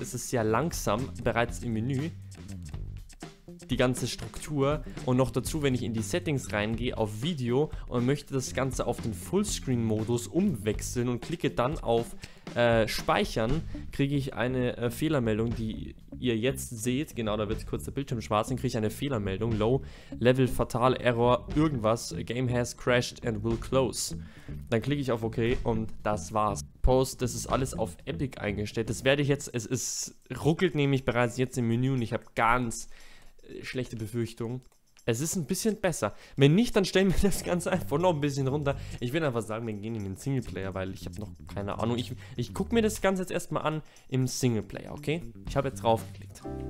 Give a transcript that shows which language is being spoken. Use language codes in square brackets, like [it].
[de] Es ist sehr langsam bereits im Menü. Die ganze Struktur und noch dazu, wenn ich in die Settings reingehe auf Video und möchte das Ganze auf den Fullscreen-Modus umwechseln und klicke dann auf Speichern, kriege ich eine Fehlermeldung, die ihr jetzt seht. Genau, da wird kurz der Bildschirm schwarz und kriege ich eine Fehlermeldung. Low Level Fatal Error irgendwas. [en] Game has crashed and will close. [de] Dann klicke ich auf OK und das war's. Post, das ist alles auf Epic eingestellt. Das werde ich jetzt, es ruckelt nämlich bereits jetzt im Menü und ich habe ganz schlechte Befürchtung. Es ist ein bisschen besser. Wenn nicht, dann stellen wir das Ganze einfach noch ein bisschen runter. Ich will einfach sagen, wir gehen in den Singleplayer, weil ich habe noch keine Ahnung. Ich gucke mir das Ganze jetzt erstmal an im Singleplayer, okay? Ich habe jetzt draufgeklickt.